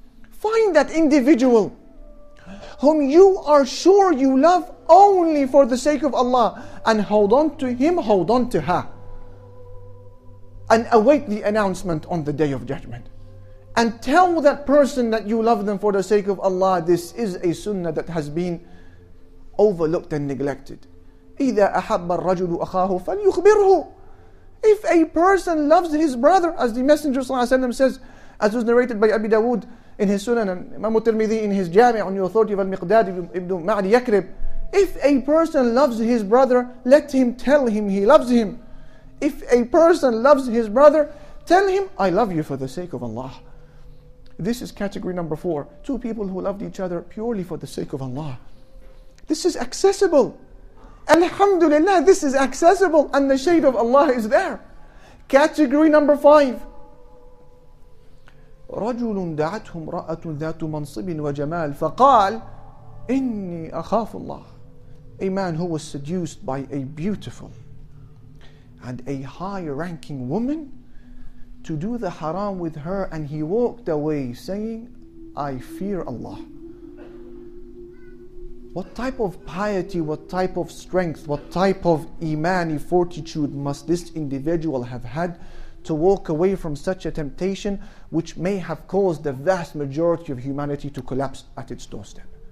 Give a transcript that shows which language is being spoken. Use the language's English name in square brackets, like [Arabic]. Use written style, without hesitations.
[English] Find that individual whom you are sure you love only for the sake of Allah, and hold on to him, hold on to her, and await the announcement on the Day of Judgment. And tell that person that you love them for the sake of Allah. This is a sunnah that has been overlooked and neglected. [Arabic] إِذَا أَحَبَّ الرَّجُلُ أَخَاهُ فَلْيُخْبِرْهُ. [English] If a person loves his brother, as the Messenger ﷺ says, as was narrated by Abi Dawood in his Sunan, and Imam Tirmidhi in his Jami' on the authority of Al-Miqdad ibn Ma'ad Yakrib, if a person loves his brother, let him tell him he loves him. If a person loves his brother, tell him, I love you for the sake of Allah. This is category number four. Two people who loved each other purely for the sake of Allah. This is accessible. Alhamdulillah, this is accessible. And the shade of Allah is there. Category number five. [Arabic] رجل دعته امرأة ذات منصب وجمال فقال إني أخاف الله. [English] A man who was seduced by a beautiful and a high-ranking woman to do the haram with her, and he walked away saying, I fear Allah. What type of piety, what type of strength, what type of imani fortitude must this individual have had to walk away from such a temptation, which may have caused the vast majority of humanity to collapse at its doorstep?